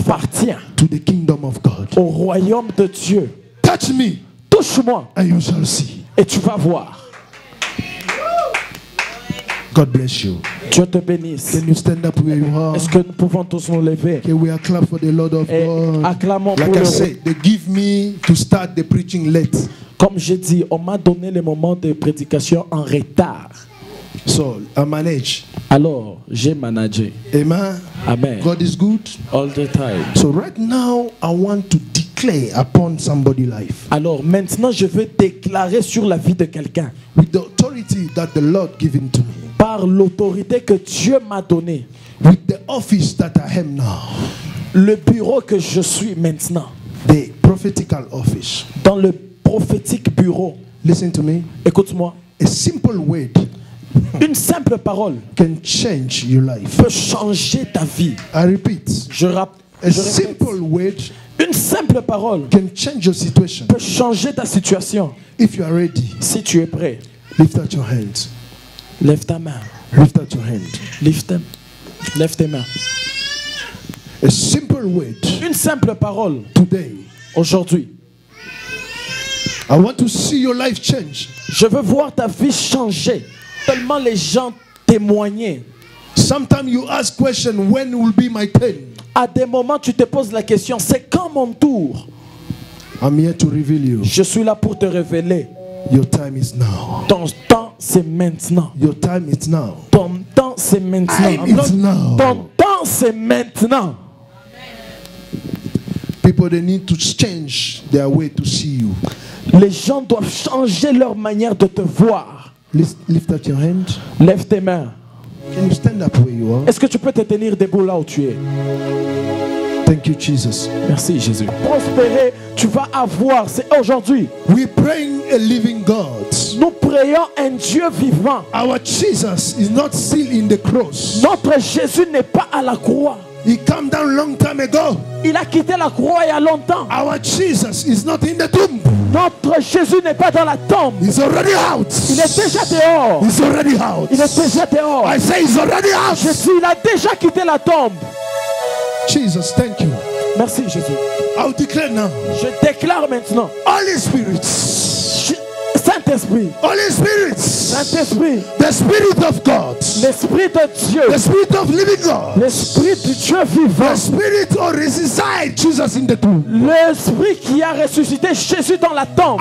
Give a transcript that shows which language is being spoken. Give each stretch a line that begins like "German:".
French: Appartiens.
English: To the kingdom of God.
French: Au royaume de Dieu.
English: Touch me.
French: Touche-moi.
English: And you shall see.
French: Et tu vas voir.
English: God bless you.
French: Dieu te bénisse.
English: Can you stand up where you are?
French: Est-ce que nous pouvons tous nous lever?
English: Can we acclaim for the Lord of
French: et
English: God?
French: Acclamons
English: like
French: pour
English: I
French: le
English: said, they give me to start the preaching late.
French: Comme j'ai dit, on m'a donné le moment de prédication en retard.
English: So, I manage.
French: Alors, j'ai managé.
English: Amen.
French: Amen.
English: God is good all the time. So right now I want to declare upon somebody's life.
French: Alors, maintenant je veux déclarer sur la vie de quelqu'un.
English: With the authority that the Lord given to me.
French: Par l'autorité que Dieu m'a donnée.
English: With the office that I am now.
French: Le bureau que je suis maintenant.
English: The prophetical office.
French: Dans le prophétique bureau.
English: Listen to me.
French: Écoute-moi.
English: A simple word.
French: Une simple parole.
English: Can change your life.
French: Peut changer ta vie.
English: I repeat.
French: Je répète.
English: A simple word.
French: Une simple parole.
English: Can change your situation.
French: Peut changer ta situation.
English: If you are ready.
French: Si tu es prêt.
English: Lift out your hands.
French: Lève ta main.
English: Lift out your hand. Lift them.
French: Lève tes mains.
English: A simple word.
French: Une simple parole.
English: Today.
French: Aujourd'hui.
English: I want to see your life change.
French: Je veux voir ta vie changer. Tellement les gens témoignent.
English: Sometimes you ask question, when will be my turn?
French: À des moments, tu te poses la question, c'est quand mon tour?
English: I'm here to reveal you.
French: Je suis là pour te révéler.
English: Your time is now.
French: Ton temps c'est maintenant.
English: Your time is now.
French: Ton temps c'est maintenant.
English: Time is now.
French: Ton temps c'est maintenant.
English: People they need to change their way to see you.
French: Les gens doivent changer leur manière de te voir.
English: Lift up your hand.
French: Lève tes mains.
English: Can you stand up where you are?
French: Est-ce que tu peux te tenir debout là où tu es?
English: Thank you, Jesus.
French: Merci, Jésus. Prospérer, tu vas avoir. C'est aujourd'hui.
English: We praying a living God.
French: Nous prions un Dieu vivant.
English: Our Jesus is not still in the cross.
French: Notre Jésus n'est pas à la croix.
English: He came down long time ago.
French: Il a quitté la croix il y a longtemps.
English: Our Jesus is not in the tomb.
French: Notre Jésus n'est pas dans la tombe.
English: He's already out.
French: Il est déjà dehors.
English: He's already out.
French: Il est déjà dehors.
English: I say he's already out.
French: Je dis, il a déjà quitté la tombe.
English: Jesus, thank you.
French: Merci Jésus.
English: I'll declare now.
French: Je déclare maintenant.
English: Holy Spirit.
French: Saint-Esprit.
English: Holy Spirit.
French: Saint-Esprit.
English: The Spirit of God.
French: L'Esprit de Dieu.
English: The Spirit of living God.
French: L'Esprit du Dieu vivant.
English: The Spirit who resuscitated Jesus in the tomb.
French: L'Esprit qui a ressuscité Jésus dans la tombe.